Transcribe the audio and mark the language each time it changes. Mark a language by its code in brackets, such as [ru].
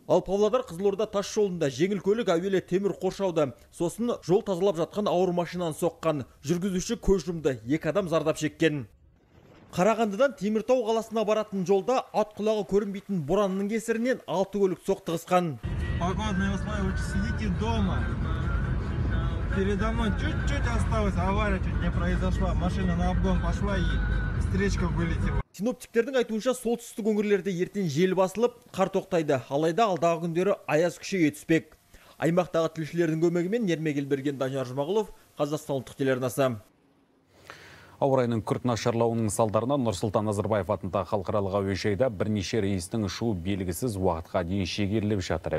[kk] Ал Павлодар Қызылорда тас жолында жеңіл көлік әуелі темір қоршауды, сосын жол тазалап жатқан ауыр машинан соққан, жүргізуші көз жұмды, екі адам зардап шеккен. Қарағандыдан Теміртау қаласына баратын жолда ат құлағы көрінбейтін боранның кесірінен алты көлік соқтығысқан. [ru] Погодные условия, лучше сидите дома. Передо мной чуть-чуть осталось, авария чуть не произошла, машина на обгон пошла и встречка вылетела. [kk] Синоптиктердің айтуынша солтүстік өңірлерде ертең жел басылып, қар тоқтайды. Алайда алдағы күндері аяз күшейе түспек. Аймақтағы тілшілердің көмегімен Ермегел Берген, Данияр Жұмағұлов, Қазақстан ұлттық телеарнасы. Ауа райының күрт нашарлауының салдарынан Нұрсұлтан Назарбаев атындағы халықаралық әуежайда бірнеше рейстің ұшу белгісіз уақытқа дейін шегеріліп жатыр.